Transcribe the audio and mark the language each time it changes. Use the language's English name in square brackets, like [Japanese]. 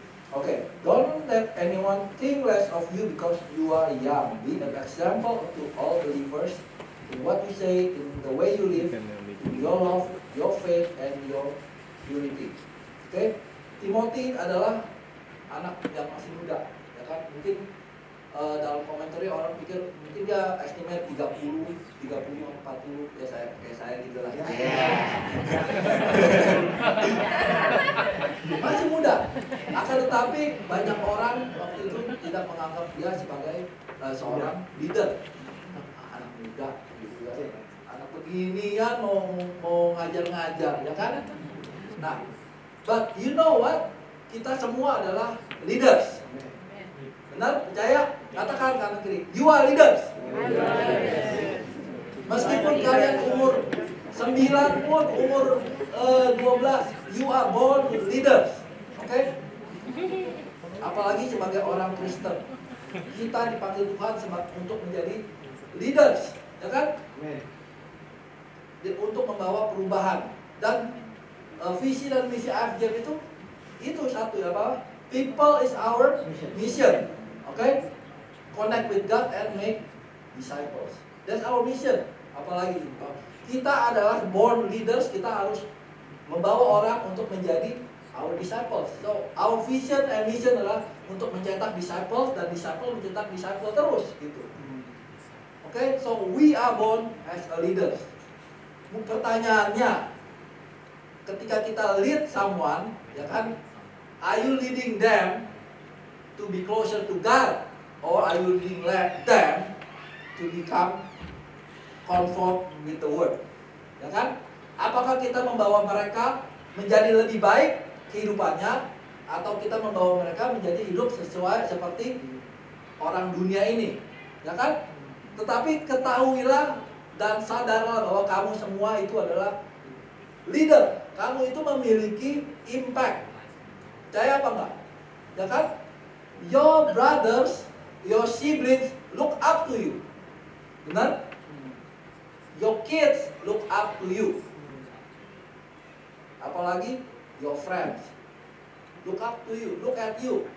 [English] Okay, don't let anyone think less of you because you are young. Be an example to all believers in what you say, in the way you live, in your love, your faith, and your unity. [Indonesian] Okay, Timothy adalah anak yang masih muda, ya kan? Mungkin dalam komentari orang pikir mungkin dia estimate 30, 35, 40, ya saya kayak saya gitu lah. Masih muda. Akan tetapi banyak orang waktu itu tidak menganggap dia sebagai seorang leader. Anak muda gitu ya. Anak beginian mau ngajar-ngajar, ya kan? Nah, [English] but you know what? [Indonesian] Kita semua adalah leaders. Benar? Percaya? Katakan kanan kiri, [English] you are leaders. [Indonesian] Meskipun kalian umur 9 pun, umur 12, [English] you are born leaders. [Indonesian] Oke? Okay? Apalagi sebagai orang Kristen, kita dipanggil Tuhan untuk menjadi leaders, ya kan? Amen. Untuk membawa perubahan. Dan visi dan misi AFGM itu satu ya, apa? [English] People is our mission. [Indonesian] Oke? [English] Okay? Connect with God and make disciples. That's our mission. [Indonesian] Apalagi kita adalah born leaders, kita harus membawa orang untuk menjadi [English] our disciples. So our vision and mission [Indonesian] adalah untuk mencetak disciples dan disciples mencetak disciples terus gitu. [English] Okay, so we are born as a leaders. [Indonesian] Pertanyaannya, ketika kita [English] lead someone, [Indonesian] ya kan, [English] are you leading them to be closer to God? Or are you leading them to become conform with the word? [Indonesian] Ya kan? Apakah kita membawa mereka menjadi lebih baik kehidupannya, atau kita membawa mereka menjadi hidup sesuai seperti orang dunia ini? Ya kan? Tetapi ketahuilah dan sadarlah bahwa kamu semua itu adalah leader. Kamu itu memiliki impact. Percaya apa enggak? Ya kan? [English] Your brothers, your siblings look up to you. [Indonesian] Benar? [English] Your kids look up to you. [Indonesian] Apalagi [English] your friends look up to you, look at you.